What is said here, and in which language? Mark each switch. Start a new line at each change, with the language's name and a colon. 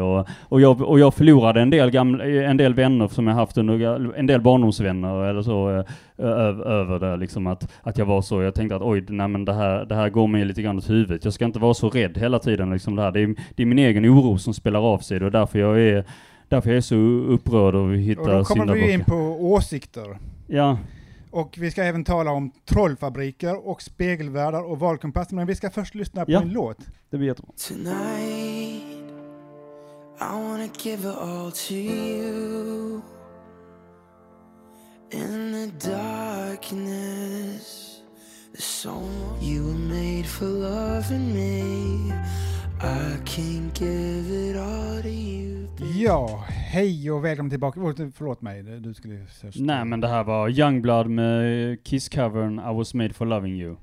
Swedish: Och jag förlorade en del vänner som jag haft, en del barndomsvänner eller så, över det liksom, att jag var så, jag tänkte att oj, nej, men det här går mig lite grann åt huvudet, jag ska inte vara så rädd hela tiden liksom, det är min egen oro som spelar av sig, och därför är jag så upprörd och hittar syndabockar. Och då kommer vi in på åsikter. Ja. Och vi ska även tala om trollfabriker och spegelvärdar och valkompass, men vi ska först lyssna på en låt. Det blir jättebra.
English: Tonight I wanna give it all to you. In the darkness the soul. You were made for loving me. I can give it all to you.
Swedish: Ja, hej och välkommen tillbaka. Förlåt mig, du skulle säga. Nej, men det här var Youngblood med Kiss covern I was made for loving you.